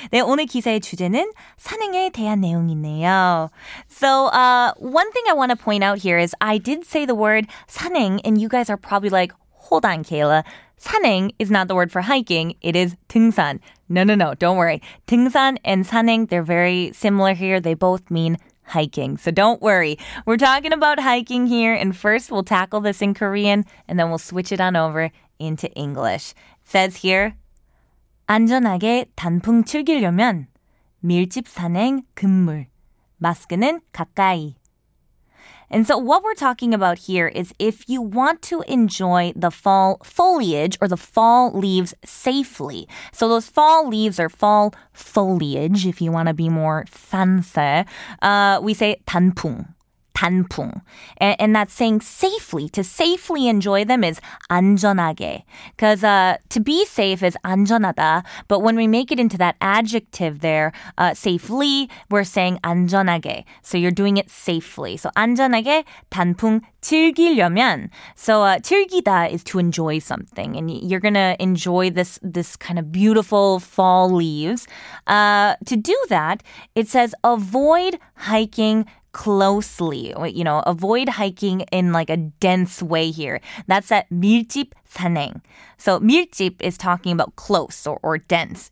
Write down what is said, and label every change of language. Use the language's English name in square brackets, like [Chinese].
[Korean] 네, 오늘 기사의 주제는 산행에 대한 내용이네요. [English] So, one thing I want to point out here is I did say the word 산행, and you guys are probably like, hold on, Kayla. 산행 is not the word for hiking. It is 등산. No, don't worry. 등산 and 산행, they're very similar here. They both mean hiking. So don't worry. We're talking about hiking here. And first, we'll tackle this in Korean, and then we'll switch it on over into English. It says here, [Korean] 안전하게 단풍 즐기려면 밀집 산행 금물, 마스크는 가까이. [English] And so what we're talking about here is if you want to enjoy the fall foliage or the fall leaves safely. So those fall leaves are fall foliage, if you want to be more fancy. We say 단풍. 단풍. And that's saying safely. To safely enjoy them is 안전하게. Because to be safe is 안전하다. But when we make it into that adjective there, safely, we're saying 안전하게. So you're doing it safely. So 안전하게 단풍 즐기려면. So 즐기다 is to enjoy something. And you're going to enjoy this kind of beautiful fall leaves. To do that, it says avoid hiking closely, you know, avoid hiking in like a dense way here. That's that 밀집 산행. So 밀집 is talking about close or dense.